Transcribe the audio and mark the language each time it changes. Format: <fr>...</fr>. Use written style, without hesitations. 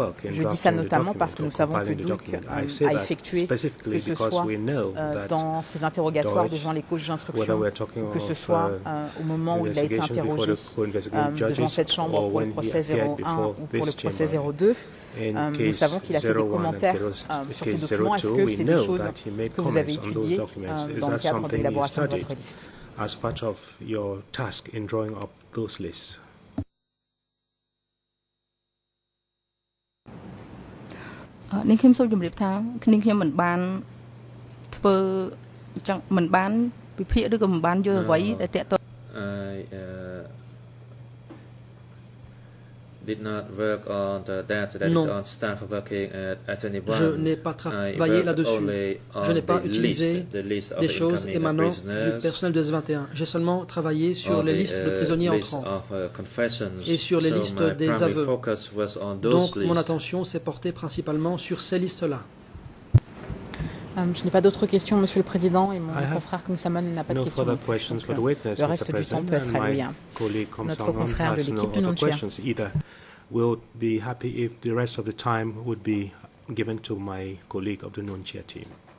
<fr>Je dis ça notamment parce que nous savons que Douik a effectué, que ce soit dans ses interrogatoires devant les coachs d'instruction, que ce soit au moment où il a été interrogé devant cette chambre pour le procès 01 ou pour le procès 02. Nous savons qu'il a fait des commentaires sur ces documents. Est-ce que c'est des choses que vous avez étudiées dans le cadre de l'élaboration de votre liste?</fr> <en>As part of your task in drawing up those lists.</en> <km>នេះខ្ញុំសូមជម្រាបថាខ្ញុំមិនបានធ្វើចង់មិនបានវិភាគឬក៏មិនបានយល់អ្វីដែលតាក់ទង</km> <en>Did not work on the data that is on staff working at S21.</en> <fr>Je n'ai pas travaillé là-dessus. Je n'ai pas utilisé des choses émanant du personnel de S21. J'ai seulement travaillé sur les listes de prisonniers entrants et sur les listes des aveux. Donc, mon attention s'est portée principalement sur ces listes-là. Je n'ai pas d'autres questions, Monsieur le Président, et mon confrère Kung Samon n'a pas de questions.</fr> <en>No questions</en> <fr>donc, le reste du temps peut être à lui. Notre confrère de l'équipe de Nantua.</fr> <en>We'll be happy if the rest of the time would be given to my colleague of the Nantua team.</en>